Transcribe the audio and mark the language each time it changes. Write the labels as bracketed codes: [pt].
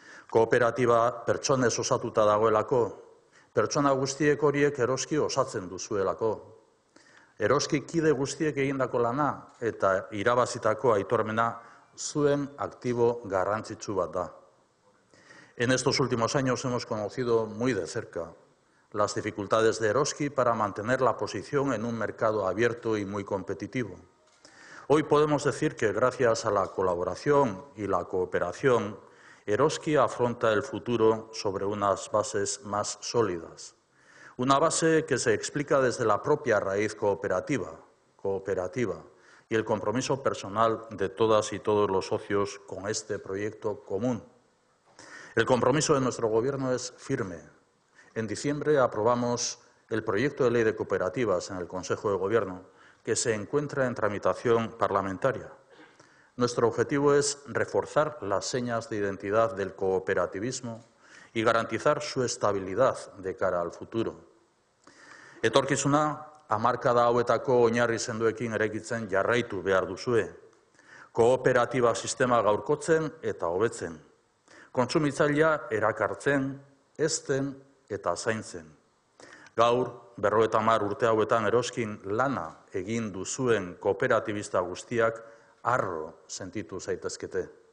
[eu] Kooperatiba pertsonez osatuta dagoelako, pertsona guztiek horiek Eroski osatzen duzuelako. Eroski kide guztiek egindako lana eta irabazitako aitormena zuen aktibo garrantzitsu bat da. [es] En estos últimos años hemos conocido muy de cerca las dificultades de Eroski para mantener la posición en un mercado abierto y muy competitivo. Hoy podemos decir que gracias a la colaboración y la cooperación, Eroski afronta el futuro sobre unas bases más sólidas. Una base que se explica desde la propia raíz cooperativa y el compromiso personal de todas y todos los socios con este proyecto común. El compromiso de nuestro Gobierno es firme. En diciembre aprobamos el proyecto de ley de cooperativas en el Consejo de Gobierno, que se encuentra en tramitación parlamentaria. Nuestro objetivo es reforzar las señas de identidad del cooperativismo y garantizar su estabilidad de cara al futuro. [eu] Etorkizuna, hamarkada hauetako oinarri sendoekin eraikitzen jarraitu behar duzue. Kooperatiba sistema gaurkotzen eta hobetzen. Kontsumitzailea erakartzen, ezten eta zaintzen. Gaur, 50 urte hauetan eroskin lana egin duzuen kooperatibista guztiak harro sentitu zaitezkete.